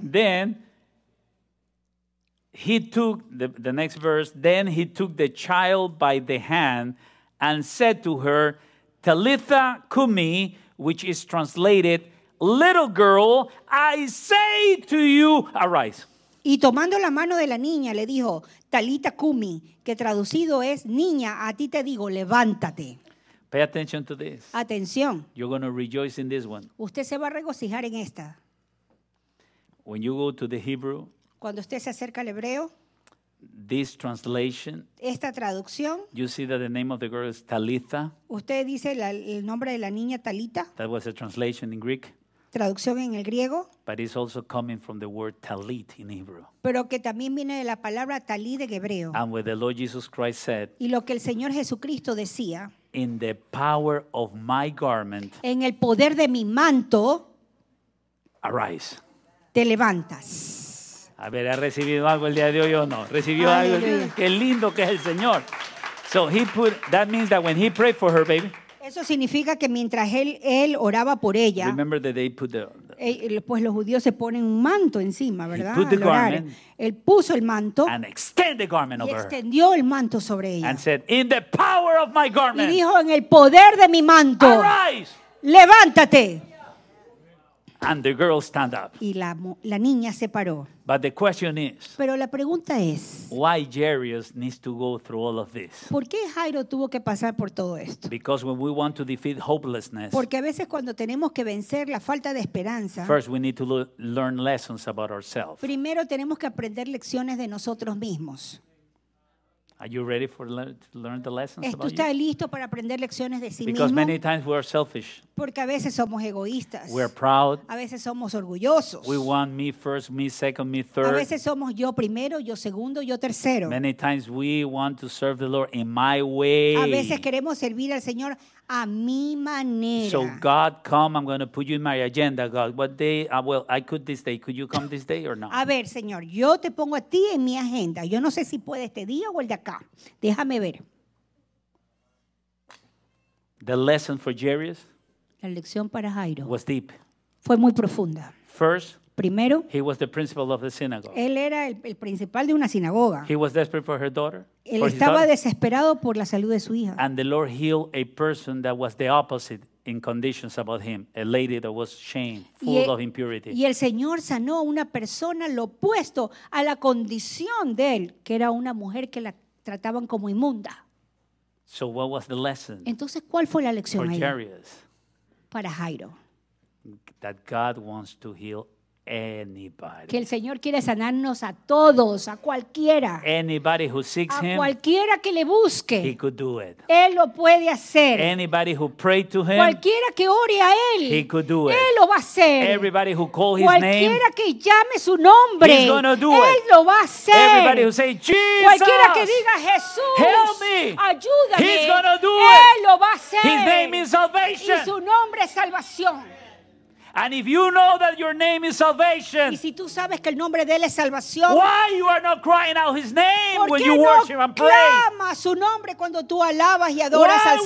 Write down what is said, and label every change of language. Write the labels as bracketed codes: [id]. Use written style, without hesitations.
[en] Then he took, the next verse, then he took the child by the hand and said to her, Talitha kumi, which is translated, little girl, I say to you, arise. [es] Y tomando la mano de la niña, le dijo, Talitha kumi, que traducido es, niña, a ti te digo, levántate. [en] Pay attention to this. [es] Atención. [en] You're going to rejoice in this one. [es] Usted se va a regocijar en esta. [en] When you go to the Hebrew, [es] cuando usted se acerca al hebreo, [en] this translation, [es] esta traducción, [en] you see that the name of the girl is Talitha. [es] Usted dice el nombre de la niña Talitha. [en] That was a translation in Greek. [es] Traducción en el griego. [en] But it's also coming from the word Talit in Hebrew. [es] Pero que también viene de la palabra Talit en hebreo. [en] And what the Lord Jesus Christ said. [es] Y lo que el Señor Jesucristo decía. [en] In the power of my garment. [es] En el poder de mi manto. [en] Arise. [es] Te levantas. A ver, ¿ha recibido algo el día de hoy o no? ¿Recibió algo? ¡Qué lindo que es el Señor! [en] So he put, that means that when he prayed for her, baby. [es] Eso significa que mientras él oraba por ella. [en] Remember that they put the [es] pues los judíos se ponen un manto encima, ¿verdad? [en] He put the garment. [es] Él puso el manto. [en] And extend the garment over. [es] Y extendió el manto sobre ella. [en] And said, in the power of my garment. [es] Y dijo, en el poder de mi manto. [en] Arise. [es] Levántate. [en] And the girl stand up. [es] Y la niña se paró. [en] But the question is, [es] pero la pregunta es, [en] why Jairus needs to go through all of this? [es] ¿Por qué Jairo tuvo que pasar por todo esto? [en] Because when we want to defeat hopelessness, [es] porque a veces cuando tenemos que vencer la falta de esperanza, [en] first we need to learn lessons about ourselves. [es] Primero tenemos que aprender lecciones de nosotros mismos. [en] Are you ready to learn the lessons about you? [es] ¿Estás listo para aprender lecciones de sí [en] because [es] mismo? [en] Because many times we are selfish. [es] Porque a veces somos egoístas. [en] We're proud. [es] A veces somos orgullosos. [en] We want me first, me second, me third. [es] A veces somos yo primero, yo segundo, yo tercero. [en] Many times we want to serve the Lord in my way. [es] A veces queremos servir al Señor a mi manera. [en] So God, come, I'm going to put you in my agenda, God. What day? Well, I could this day. Could you come this day or not? [es] A ver, Señor, yo te pongo a ti en mi agenda. Yo no sé si puede este día o el de acá. Déjame ver. [en] The lesson for Jairus. [es] La lección para Jairo. [en] Was deep. [es] Fue muy profunda. [en] First. [es] Primero. [en] He was the principal of the synagogue. [es] Él era el principal de una sinagoga. [en] He was desperate for her daughter. [es] Él estaba desesperado por la salud de su hija. [en] And the Lord healed a person that was the opposite in conditions about him, a lady that was shamed, full of impurity. [es] Y el Señor sanó a una persona lo opuesto a la condición de él, que era una mujer que la trataban como inmunda. [en] So what was the lesson? [es] Entonces, ¿cuál fue la lección [en] for Jairus? [es] Para Jairo. [en] That God wants to heal anybody. [es] Que el Señor quiere sanarnos a todos, a cualquiera. [en] Anybody who seeks [es] a cualquiera [en] him, [es] que le busque. [en] He could do it. [es] Él lo puede hacer. [en] Anybody who prayed to him, [es] cualquiera que ore a él. [en] He could do it. [es] Él lo va a hacer. [en] Everybody who call his [es] cualquiera [en] name, [es] que llame su nombre. [en] He's gonna do [es] él [en] it. [es] Lo va a hacer. [en] Everybody who say, Jesus, [es] cualquiera que diga Jesús. [en] Help me. [es] Ayúdame. [en] He's gonna do [es] él [en] it. [es] Lo va a hacer. [en] His name is salvation. [es] Y su nombre es salvación. [en] And if you know that your name is salvation, [es] y si tú sabes que el nombre de él es salvación, [en] why you are not crying out his name when you worship and pray? [es] ¿Por qué no clamas su nombre cuando tú alabas y adoras al Señor?